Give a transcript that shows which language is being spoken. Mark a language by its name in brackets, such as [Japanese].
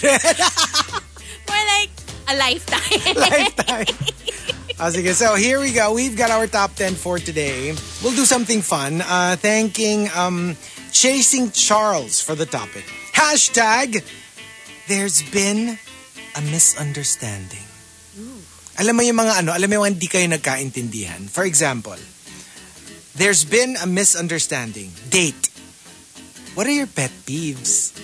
[English] More like a lifetime. Okay, so here we go. We've got our top 10 for today. We'll do something fun. Thanking Chasing Charles for the topic. Hashtag, there's been a misunderstanding. [Filipino] Alam mo yung mga ano, alam mo yung hindi kayo nagkaintindihan. [English] For example, there's been a misunderstanding. Date. What are your pet peeves?